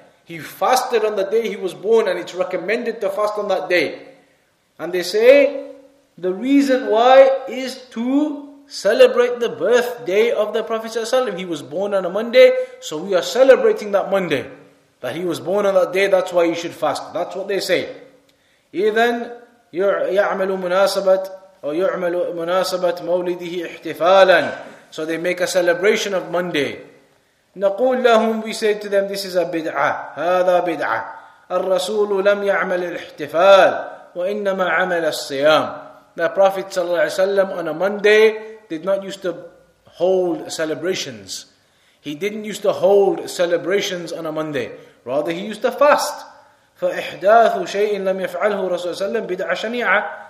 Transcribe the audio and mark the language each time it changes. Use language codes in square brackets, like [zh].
[en] He fasted on the day he was born, and it's recommended to fast on that day. And they say, the reason why is to celebrate the birthday of the Prophet ﷺ. He was born on a Monday, so we are celebrating that Monday. That he was born on that day, that's why you should fast. That's what they say. [ar] إذن يعمل مناسبة أو يعمل مناسبة مولده احتفالا. [en] So they make a celebration of Monday. [ar] نقول لهم, [en] we say to them, this is a bid'ah. [ar] هذا [en] bid'ah. [ar] الرسول لم يعمل الاحتفال. وَإِنَّمَا عَمَلَ الصِّيَامِ. [en] The Prophet ﷺ on a Monday did not used to hold celebrations. He didn't used to hold celebrations on a Monday. Rather, he used to fast. [ar] فَإِحْدَاثُ شَيْءٍ لَمْ يَفْعَلْهُ رَسُولَ ﷺ بِدْعَ شَنِيعَةً.